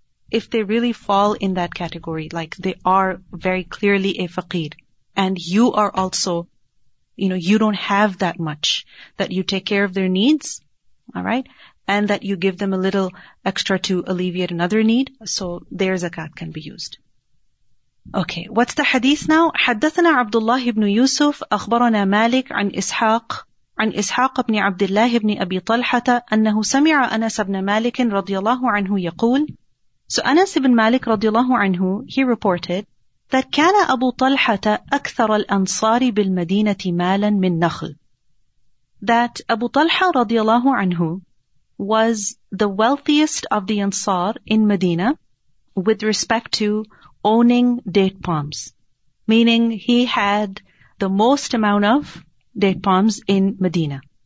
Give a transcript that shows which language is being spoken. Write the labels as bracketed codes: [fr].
[en] If they really fall in that category, like they are very clearly a faqir, and you are also, you know, you don't have that much, that you take care of their needs, all right, and that you give them a little extra to alleviate another need, so their zakat can be used. Okay, what's the hadith now? [ar] حدثنا عبد الله بن يوسف أخبرنا مالك عن إسحاق عن إسحاق بن عبد الله بن أبي طلحة أنه سمع أنس بن مالك رضي الله عنه يقول. [en] So Anas ibn Malik radiallahu anhu, he reported that [ar] كان أبو طلحة أكثر الأنصار بالمدينة مالا من نخل. [en] That Abu Talha radiallahu anhu was the wealthiest of the Ansar in Medina with respect to owning date palms. Meaning he had the most amount of date palms in Medina.